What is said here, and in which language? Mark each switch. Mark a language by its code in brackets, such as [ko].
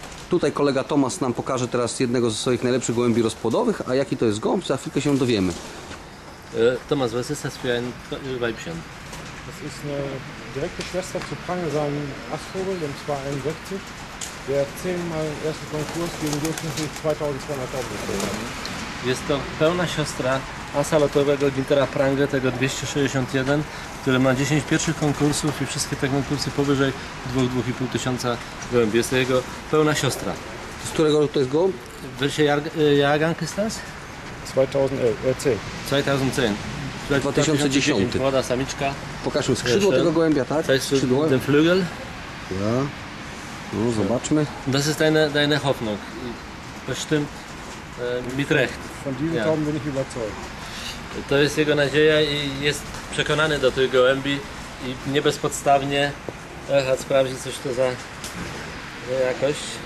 [pl] Tutaj kolega Tomas nam pokaże teraz jednego ze swoich najlepszych gołębi rozpłodowych. A jaki to jest gołąb? Za chwilkę się dowiemy. [de] Tomas, was ist das für ein Weibchen? Das ist eine direkte Schwester zu Prangesan Astrovel, und zwar 61, der 10-mal ersten Konkurs gegen durchschnittlich 2200 Tauben gewonnen hat. [pl] Jest to pełna siostra asa lotowego Gintera Prange, tego 261, który ma 10 pierwszych konkursów i wszystkie te konkursy powyżej 2500 gołębi. Jest to jego pełna siostra. Z którego roku to jest gołąb? [de] Welche Jahrgang ist das? 2010. [pl] 2010. Młoda samiczka. Pokażmy skrzydło tego gołębia, tak? To jest skrzydło. Ten flügel. Ja. No, zobaczmy. [de] Das ist deine Hoffnung. Bez tym mit recht. Von diesem Tauben bin ich überzeugt. [pl] To jest jego nadzieja i jest przekonany do tych gołębi i nie bezpodstawnie. Erhard sprawdzi, coś to za jakość.